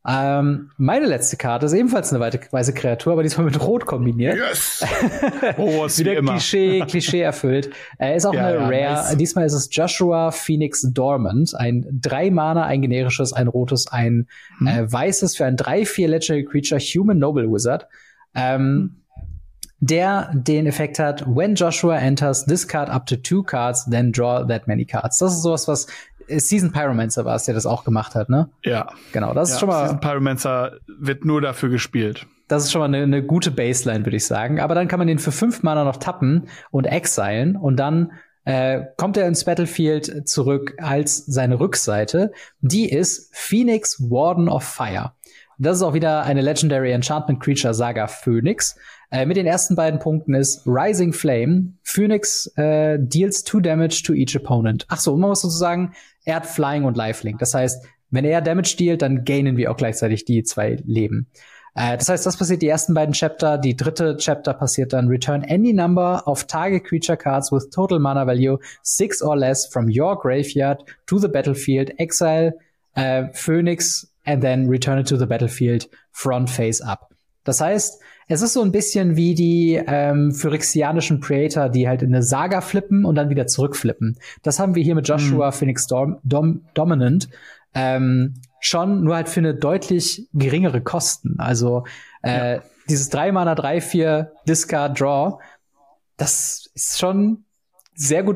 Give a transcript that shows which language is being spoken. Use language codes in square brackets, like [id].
[de] Meine letzte Karte ist ebenfalls eine weiße Kreatur, aber diesmal mit Rot kombiniert. [en] Yes! Oh, [de] wieder wie immer. Klischee erfüllt. Ist auch eine Rare. Nice. Diesmal ist es Joshua Phoenix Dormant. Ein 3-Mana, ein generisches, ein rotes, ein weißes für ein 3-4 Legendary Creature Human Noble Wizard. Der den Effekt hat, [en] when Joshua enters, discard up to 2 cards, then draw that many cards. [de] Das ist sowas, was Season Pyromancer war es, der das auch gemacht hat, ne? Ja. Genau, das ist schon mal. Season Pyromancer wird nur dafür gespielt. Das ist schon mal eine gute Baseline, würde ich sagen. Aber dann kann man den für 5 Mana noch tappen und exilen. Und dann kommt er ins Battlefield zurück als seine Rückseite. Die ist Phoenix Warden of Fire. Das ist auch wieder eine Legendary Enchantment Creature Saga Phoenix. Mit den ersten beiden Punkten ist Rising Flame. [en] Phoenix deals 2 damage to each opponent. [de] Ach so, man muss sozusagen, er hat Flying und Lifelink. Das heißt, wenn er Damage dealt, dann gainen wir auch gleichzeitig die 2 Leben. Das heißt, das passiert die ersten beiden Chapter. Die dritte Chapter passiert dann [en] Return any number of target creature cards with total mana value 6 or less from your graveyard to the battlefield. Exile Phoenix and then return it to the battlefield front face up. [de] Das heißt, es ist so ein bisschen wie die phyrexianischen Praetor, die halt in eine Saga flippen und dann wieder zurückflippen. Das haben wir hier mit Joshua Phoenix Dominant schon, nur halt für eine deutlich geringere Kosten. Also dieses 3-Mana, 3-4, Discard, Draw, das ist schon sehr gut